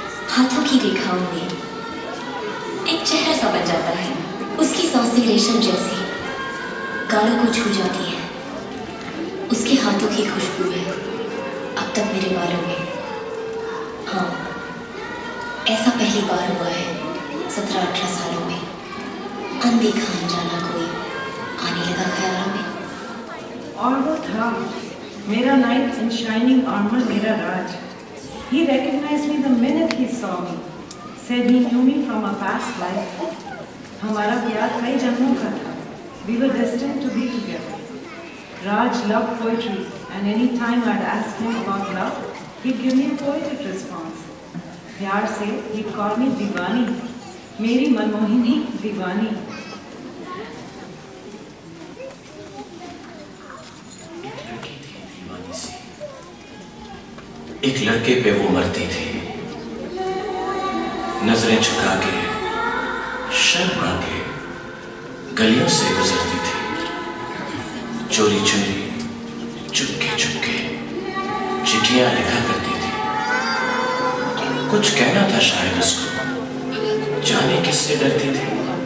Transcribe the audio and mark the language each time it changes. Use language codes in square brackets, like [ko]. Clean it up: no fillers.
[hi] हाथों की रेखाओं में एक चेहरा सा बन जाता है, उसकी सांसें रेशम जैसी गालों को छू जाती है, उसके हाथों की खुशबू है अब तक मेरे बालों में, हाँ ऐसा पहली बार हुआ है 17-18 सालों में, अनदेखा अनजाना कोई आने लगा ख्यालों में। और वो था मेरा [en] knight in shining armour, [hi] मेरा राज। [en] He recognized me the minute he saw me, said he knew me from a past life. [hi] हमारा प्यार कई जन्मों का था। [en] We were destined to be together. Raj loved poetry and any time I'd ask him about love, he'd give me a poetic response. [hi] प्यार से ये call मी दीवानी, मेरी मनमोहिनी दीवानी। एक लड़की थी दीवानी से, एक लड़के पे वो मरती थी, नजरें झुका के शर्मा के गलियों से गुजरती थी, चोरी चोरी चुपके चुपके चिट्ठियां लिखा करती, कुछ कहना था शायद उसको, जाने किससे डरती थी,